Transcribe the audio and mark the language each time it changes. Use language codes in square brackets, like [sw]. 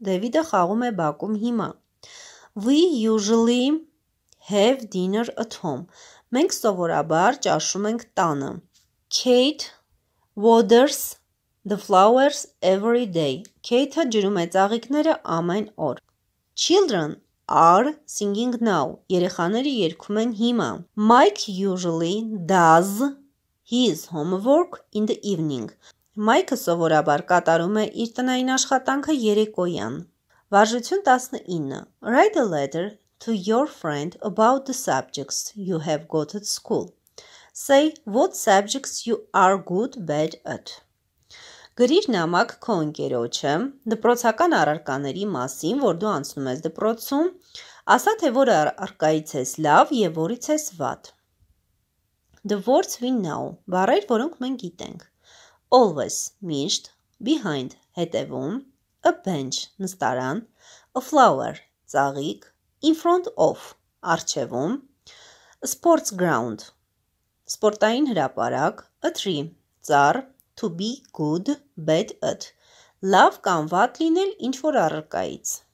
[hy] David-ը խաղում է բակում հիմա. [en] We usually have dinner at home. [hy] Մենք սովորաբար ճաշում ենք տանը. [en] Kate waters the flowers every day. [hy] Kate-ը ջրում է ծաղիկները ամեն օր. [en] Children are singing now. [hy] Երեխաները երգում են հիմա. [en] Mike usually does his homework in the evening. [hy] Mike-ը սովորաբար կատարում է իր տնային աշխատանքը երեկոյան. Վարժություն 19. [en] Write a letter to your friend about the subjects you have got at school. Say what subjects you are good, bad at. [hy] Գրիր նամակ քո ընկերոջը դպրոցական առարկաների մասին, որ դու անցնում ես դպրոցում, ասա թե որ առարկայից ես լավ եւ որից ես վատ. [en] The words we know, [hy] բառեր, որոնք մենք գիտենք. [en] Always, միշտ, behind, հետևում, a bench, նստարան, a flower, ծաղիկ, in front of, առջևում, a sports ground, սպորտային հրապարակ, a tree, ծառ, to be good, bad at, [hy] լավ կամ վատ լինել ինչ-որ առարկայից.